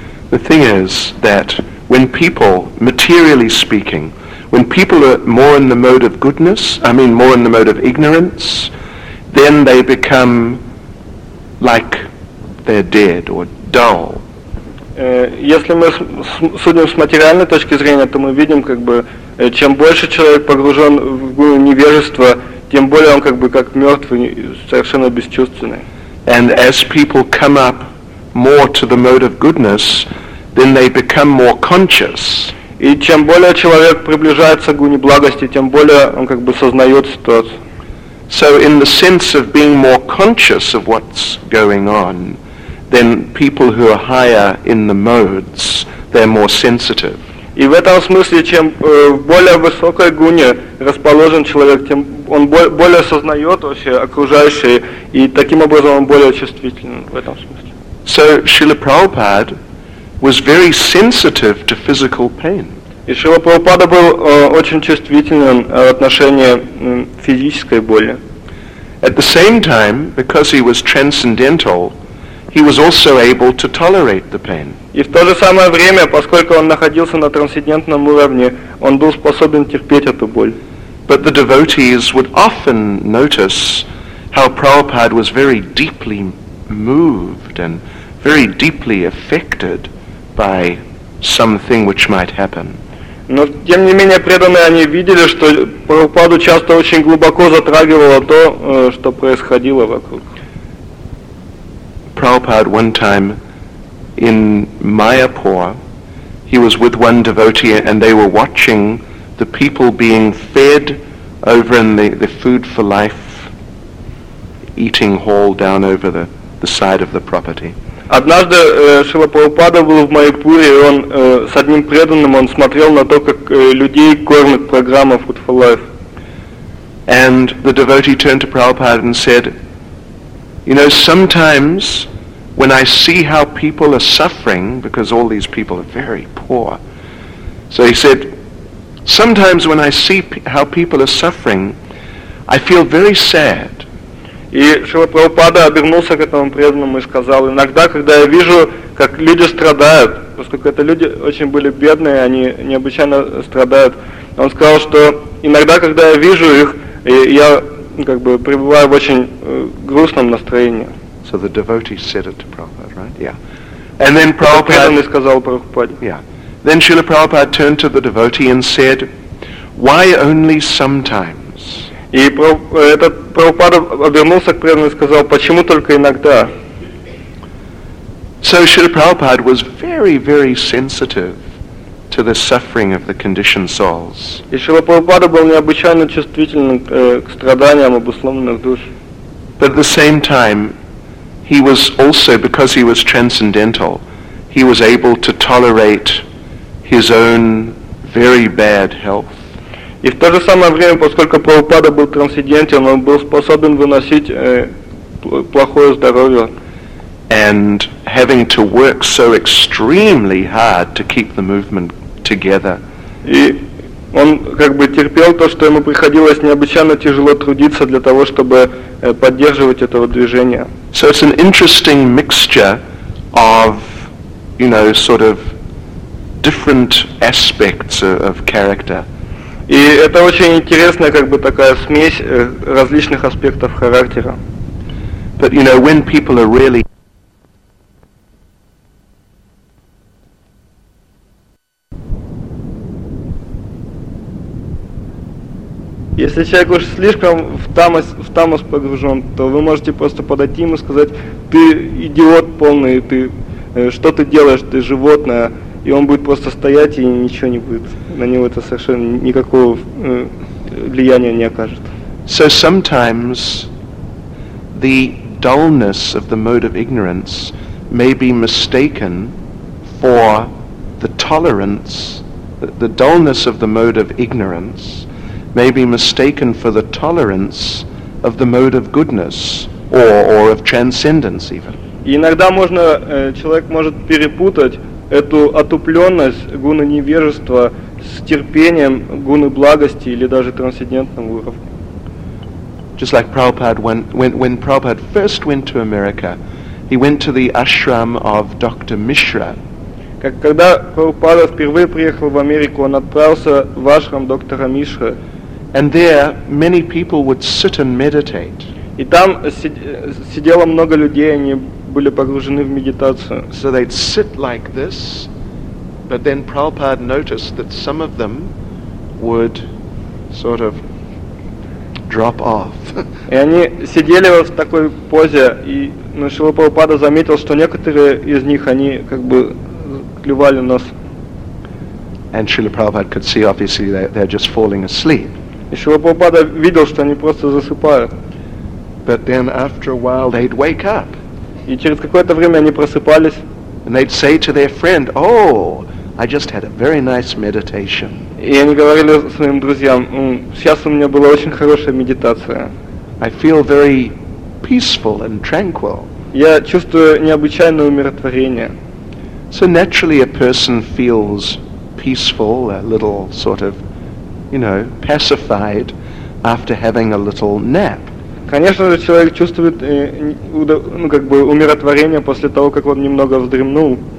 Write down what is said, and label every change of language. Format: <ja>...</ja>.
<en>The thing is that when people, materially speaking, when people are more in the mode of goodness, I mean more in the mode of ignorance, then they become like they're dead or dull.</en> <ru>Если мы судим с материальной точки зрения, то мы видим, как бы, чем больше человек погружен в невежество, тем более он как бы как мертвый, совершенно бесчувственный.</ru> <en>And as people come up more to the mode of goodness, then they become more conscious.</en> <ru>И чем более человек приближается к гуне благости, тем более он как бы сознает ситуацию.</ru> <en>So in the sense of being more conscious of what's going on, then people who are higher in the modes, they're more sensitive.</en> <ru>И в этом смысле, чем в более высокой гуне расположен человек, тем он более осознает вообще окружающее, и таким образом он более чувствителен в этом смысле.</ru> <en>So Srila Prabhupada was very sensitive to physical pain.</en> <ru>И Шрила Прабхупада был очень чувствителен в отношении физической боли.</ru> <en>At the same time, because he was transcendental, he was also able to tolerate the pain.</en> <ru>И в то же самое время, поскольку он находился на трансцендентном уровне, он был способен терпеть эту боль.</ru> <en>But the devotees would often notice how Prabhupada was very deeply moved and very deeply affected by something which might happen.</en> <ru>Но тем не менее преданные они видели, что Прабхупаду часто очень глубоко затрагивало то, что происходило вокруг.</ru> <en>Prabhupada one time in Mayapur, he was with one devotee and they were watching the people being fed over in the food for life eating hall down over the side of the property.</en> <ru>Однажды Шрила Прабхупада был в Майяпуре, и он с одним преданным он смотрел на то, как людей кормят программа Food for Life.</ru> <en>And the devotee turned to Prabhupada and said, you know, sometimes when I see how people are suffering, because all these people are very poor, so he said, sometimes when I see how people are suffering, I feel very sad.</en> <ru>И Шрила Прабхупада обернулся к этому преданному и сказал, иногда, когда я вижу, как люди страдают, поскольку это люди очень были бедные, они необычайно страдают, он сказал, что иногда, когда я вижу их, я как бы пребываю в очень грустном настроении.</ru> <en>So the devotee said it to Prabhupada, right? Yeah. And then Prabhupada...</en> <ru>Преданный сказал Прабхупаде.</ru> <en>Yeah. Then Srila Prabhupada turned to the devotee and said, why only sometimes?</en> <ru>И этот Прабхупада обернулся к преданному и сказал, почему только иногда?</ru> <en>So Srila Prabhupada was very, very sensitive to the suffering of the conditioned souls.</en> <ru>И Шрила Прабхупада был необычайно чувствителен к страданиям обусловленных душ.</ru> <en>But at the same time, he was also, because he was transcendental, he was able to tolerate his own very bad health.</en> <ru>И в то же самое время, поскольку Прабхупада был трансцендентен, он был способен выносить плохое здоровье.</ru> <en>And having to work so extremely hard to keep the movement together.</en> <ru>И он как бы терпел то, что ему приходилось необычайно тяжело трудиться для того, чтобы поддерживать это движение.</ru> <en>So it's an interesting mixture of, you know, sort of different aspects of character.</en> <ru>И это очень интересная как бы такая смесь различных аспектов характера.</ru> <en>But you know, when people are really...</en> <ru>Если человек уж слишком в тамос погружен, то вы можете просто подойти ему и сказать, ты идиот полный, ты что ты делаешь, ты животное. И он будет просто стоять, и ничего не будет. На него это совершенно никакого влияния не окажет.</ru> <en>So sometimes the dullness of the mode of ignorance may be mistaken for the tolerance, the dullness of the mode of ignorance may be mistaken for the tolerance of the mode of goodness or of transcendence even.</en> <ru>И иногда можно, человек может перепутать эту отупленность гуны невежества с терпением гуны благости или даже трансцендентного уровня.</ru> <en>Just like Prabhupada, when Prabhupada first went to America, he went to the ashram of Dr. Mishra.</en> <ru>Как когда Прабхупада впервые приехал в Америку, он отправился в ашрам доктора Мишры.</ru> <en>And there many people would sit and meditate.</en> <ru>И там сидело много людей, они были погружены в медитацию.</ru> <en>So they'd sit like this, but then Prabhupada noticed that some of them would sort of drop off.</en> <ru>И они сидели вот в такой позе, и Шрила Прабхупада заметил, что некоторые из них, они как бы клевали нос.</ru> <en>And Srila Prabhupada could see, obviously, that they're just falling asleep.</en> <ru>И Шрила Прабхупада видел, что они просто засыпают.</ru> <en>But then after a while they'd wake up.</en> <ru>И через какое-то время они просыпались.</ru> <en>And they'd say to their friend, oh, I just had a very nice meditation.</en> <ru>И они говорили своим друзьям: сейчас у меня была очень хорошая медитация.</ru> <en>I feel very peaceful and tranquil.</en> <ru>Я чувствую необычайное умиротворение.</ru> <en>So naturally a person feels peaceful, a little sort of, you know, pacified after having a little nap.</en> <ru>Конечно же, человек чувствует умиротворение после того, как он немного вздремнул.</ru>